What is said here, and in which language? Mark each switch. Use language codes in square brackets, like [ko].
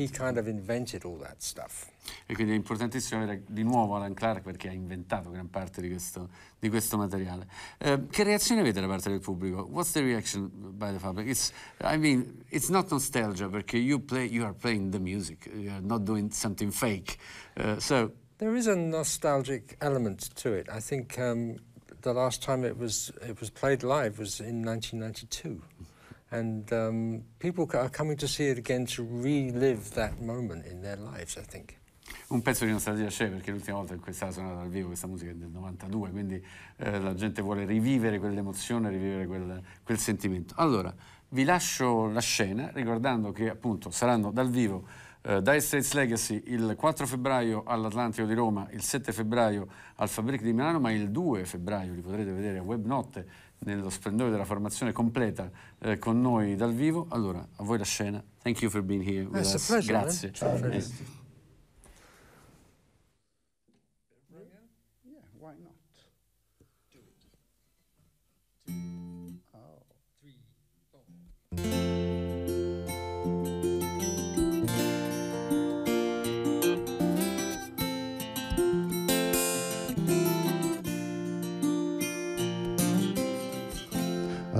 [en] He kind of invented all that stuff. [it] E quindi è importantissimo avere di nuovo Alan Clark perché ha inventato gran parte di questo materiale. Che reazione avete da parte del pubblico? [en] What's the reaction by the public? It's not nostalgia perché you are playing the music, you are not doing something fake. So there is a nostalgic element to it. I think the last time it was played live was in 1992. And people are coming to see it again to relive that moment in their lives, I think. [it] Un pezzo di nostalgia c'è, perché l'ultima volta in cui è stata suonata dal vivo questa musica è del 92, quindi la gente vuole rivivere quell'emozione, rivivere quel sentimento. Allora, vi lascio la scena, ricordando che appunto saranno dal vivo Dire Straits Legacy il 4 febbraio all'Atlantico di Roma, il 7 febbraio al Fabric di Milano, ma il 2 febbraio li potrete vedere a Webnotte, nello splendore della formazione completa, con noi dal vivo. Allora, a voi la scena. [en] Thank you for being here with us. It's a pleasure. [it] Grazie. Eh? [en] Why not? Do it. Two, three, four.